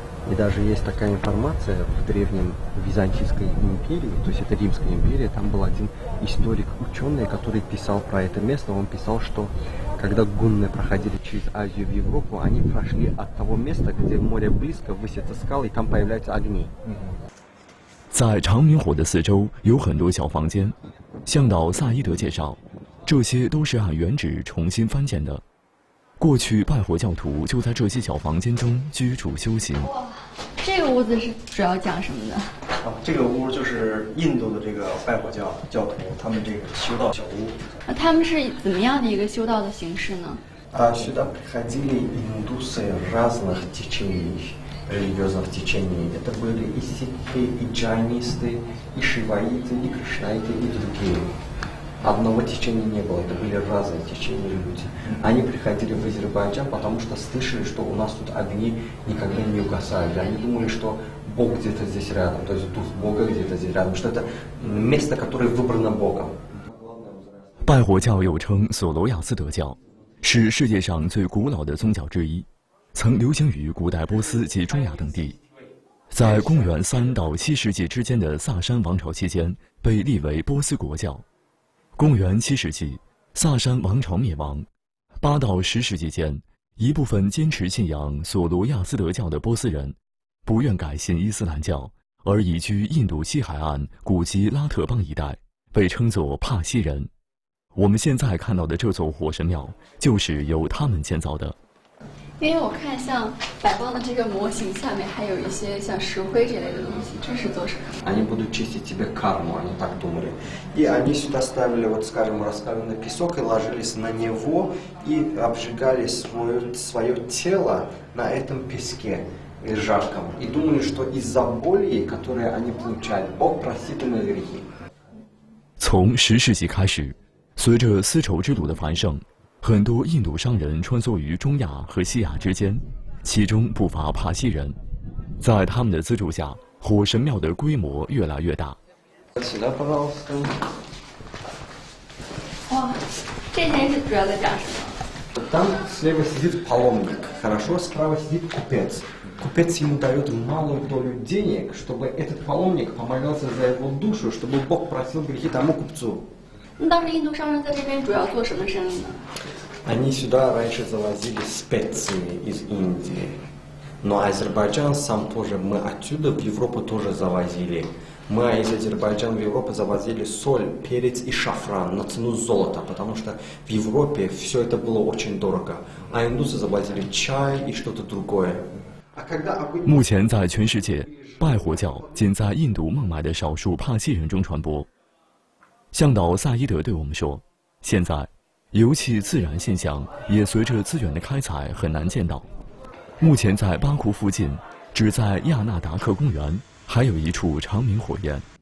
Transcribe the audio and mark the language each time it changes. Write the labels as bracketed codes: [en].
[ru] И даже есть такая информация в древнем Византийской империи, то есть это Римская империя, там был один историк-ученый, который писал про это место. Он писал, что когда гунны проходили через Азию в Европу, они прошли от того места, где море близко, высятся скалы, и там появляются огни. [zh] 在长明火的四周有很多小房间，向导萨伊德介绍，这些都是按原址重新翻建的。过去拜火教徒就在这些小房间中居住修行。哇，这个屋子是主要讲什么的？这个屋就是印度的这个拜火教徒他们这个修道小屋。那他们是怎么样的一个修道的形式呢？ [ru] Сюда приходили индусы разных течений, религиозных течений. Это были и сикхи, и джайнисты, и шиваиты, и кришнаиты, и другие. Одного течения не было, это были разные течения люди. Они приходили в Азербайджан, потому что слышали, что у нас тут огни никогда не угасают. Они думали, что Бог где-то здесь рядом, то есть дух Бога где-то здесь рядом, что это место, которое выбрано Богом. [zh] 拜火教又称索罗亚斯德教，是世界上最古老的宗教之一，曾流行于古代波斯及中亚等地，在公元三到七世纪之间的萨珊王朝期间被立为波斯国教。公元七世纪，萨珊王朝灭亡，八到十世纪间，一部分坚持信仰索罗亚斯德教的波斯人不愿改信伊斯兰教，而移居印度西海岸古吉拉特邦一带，被称作帕西人。我们现在看到的这座火神庙就是由他们建造的。因为我看像摆放的这个模型下面还有一些像石灰这类的东西，这是做什么？ [ru] Они будут чистить тебе карму, они так думали. И они сюда ставили вот, скажем, раскаленный песок и ложились на него и обжигали свое тело на этом песке жарком. И думали, что из-за боли, которые они получают, Бог простит им грехи. [zh] 从十世纪开始。随着丝绸之路的繁盛，很多印度商人穿梭于中亚和西亚之间，其中不乏帕西人。在他们的资助下，火神庙的规模越来越大。起来，帕拉奥斯。哇，这件是主要在讲什么？ [ru] Там слева сидит паломник, хорошо, справа сидит купец. Купец ему дает малую долю денег, чтобы этот паломник помолился за его душу, чтобы Бог простил грехи тому купцу. [zh] 那当时印度商人在这边主要做什么生意呢？ [ru] Они сюда раньше завозили специи из Индии, но Азербайджан сам тоже мы отсюда в Европу тоже завозили. Мы из Азербайджана в Европу завозили соль, перец и шафран на цену золота, потому что в Европе все это было очень дорого. А индусы завозили чай и что-то другое. [zh] 目前在全世界，拜火教仅在印度孟买的少数帕西人中传播。向导萨伊德对我们说，现在油气自燃现象也随着资源的开采很难见到。目前在巴库附近，只在亚纳达克公园还有一处长明火焰。